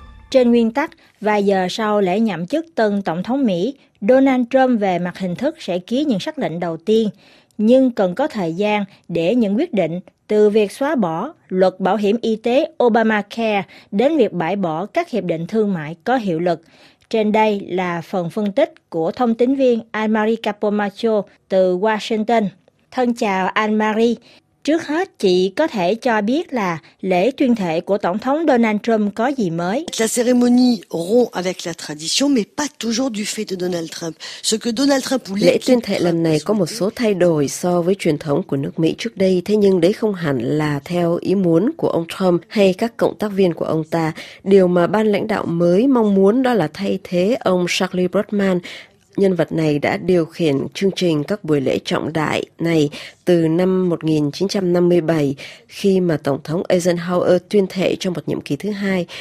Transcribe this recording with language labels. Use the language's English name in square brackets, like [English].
[Vietnamese] Trên nguyên tắc, vài giờ sau lễ nhậm chức tân Tổng thống Mỹ, Donald Trump về mặt hình thức sẽ ký những sắc lệnh đầu tiên, nhưng cần có thời gian để những quyết định từ việc xóa bỏ luật bảo hiểm y tế Obamacare đến việc bãi bỏ các hiệp định thương mại có hiệu lực. Trên đây là phần phân tích của thông tín viên Anne-Marie Capomacho từ Washington. Thân chào Anne-Marie. Trước hết, chị có thể cho biết là lễ tuyên thệ của Tổng thống Donald Trump có gì mới? [French] La cérémonie rompt avec la tradition, mais pas toujours du fait de Donald Trump. Ce que Donald Trump [Vietnamese] lễ tuyên thệ lần này có một số thay đổi so với truyền thống của nước Mỹ trước đây, thế nhưng đấy không hẳn là theo ý muốn của ông Trump hay các cộng tác viên của ông ta. Điều mà ban lãnh đạo mới mong muốn đó là thay thế ông Charlie Brodman. Nhân vật này đã điều khiển chương trình các buổi lễ trọng đại này từ năm 1957 khi mà Tổng thống Eisenhower tuyên thệ cho một nhiệm kỳ thứ hai.